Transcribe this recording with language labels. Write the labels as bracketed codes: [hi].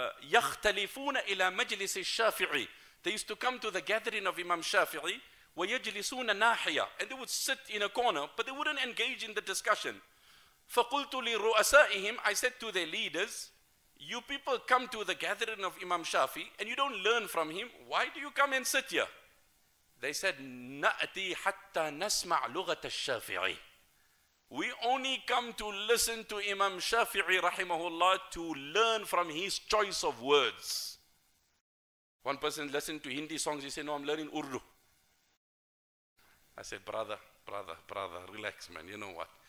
[ar] يختلفون إلى مجلس الشافعي. [en] They used to come to the gathering of Imam Shafi'i. [ar] ويجلسون ناحية. [en] And they would sit in a corner, but they wouldn't engage in the discussion. [ar] فقلت لرؤسائهم. [en] I said to their leaders, you people come to the gathering of Imam Shafi and you don't learn from him. Why do you come and sit here? They said, [ar] نأتي حتى نسمع لغة الشافعي. [en] We only come to listen to Imam Shafi'i rahimahullah to learn from his choice of words. One person listened to Hindi songs, he said, no, I'm learning Urdu. I said, brother, relax, man, you know what?